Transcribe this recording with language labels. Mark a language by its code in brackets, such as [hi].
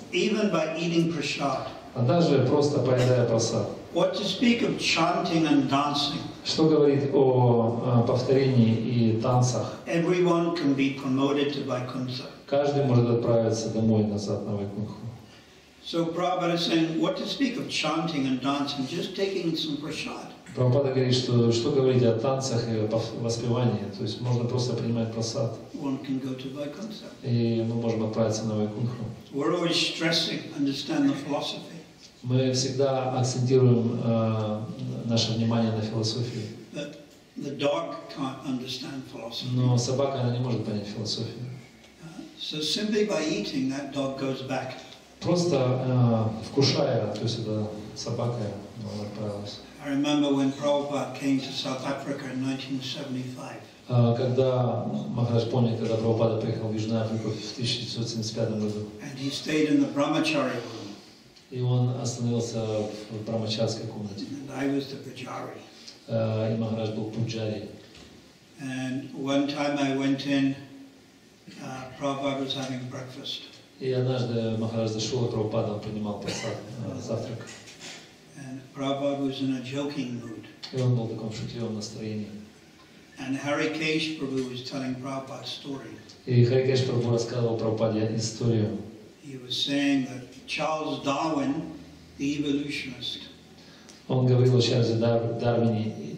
[en] even by eating prasad, [ru] а даже просто поедая прасад. [en] What to speak of chanting and dancing? [ru] Что говорит о повторении и танцах? [en] Everyone can be promoted to Vaikuntha. [ru] Каждый может отправиться домой назад на Вайкунху. [en] So Prabhupada is saying, what to speak of chanting and dancing, just taking some prasad. [ru] Прабхупада говорит, что что говорить о танцах и воспевании, то есть можно просто принимать прасад. [en] One can go to Vaikuntha. [ru] И мы можем отправиться на Вайкунху. [en] We're always stressing, understand the philosophy. [ru] Мы всегда акцентируем наше внимание на философии. [en] But the dog can't understand philosophy. [ru] Но собака, она не может понять философию. [en] So simply by eating, that dog goes back. [ru] Просто вкушая, то есть это собака, она отправилась. [en] I remember when Prabhupada came to South Africa in 1975. [ru] Когда Махарадж понял, когда Прабхупада приехал в Южную Африку в 1975 году. [en] And he stayed in the Brahmacharya room. [ru] И он остановился в брахмачарской комнате. [en] And I was the pujari. [ru] И Махарадж был пуджари. [en] And one time I went in, Prabhupada was having breakfast. [ru] И однажды Махарадж зашел, и Прабхупада принимал прасад, завтрак. [en] And Prabhupada was in a joking mood. [ru] И он был в таком шутливом настроении. [en] And Hari Kesh Prabhu was telling Prabhupada's story. [ru] И Хари Кеш Прабху рассказывал Прабхупаде историю. [en] He was saying that Charles Darwin, the evolutionist. [ru] Он говорил о Чарльзе Дарвине,